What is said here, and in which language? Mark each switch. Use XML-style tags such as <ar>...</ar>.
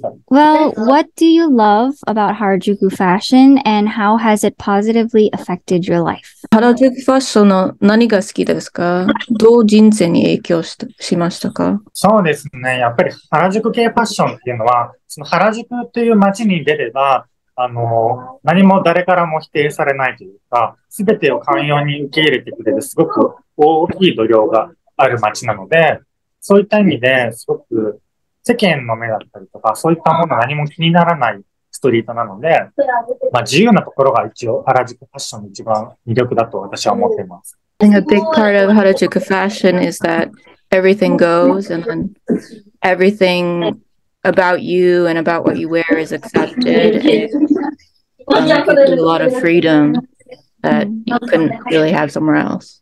<en>Well, what do you love about Harajuku fashion and how has it positively affected your life?</en> <ja>Harajuku fashion の何が好きですか？どう人生に影響しましたか？そうですね。やっぱり原宿系ファッションっていうのは、その原宿という街に出れば、何も誰からも否定されないというか、すべてを寛容に受け入れてくれるすごく大きい土壌がある街なので、そういった意味ですごく世間の目だったりとかそういったもの何も気にならないストリートなので、まあ自由なところが一応原宿ファッションの一番魅力だと私は思っています。</ja> <en>I think a big part of Harajuku fashion is that everything goes and then everything about you and about what you wear is accepted. And a lot of freedom that you couldn't really have somewhere else.</en>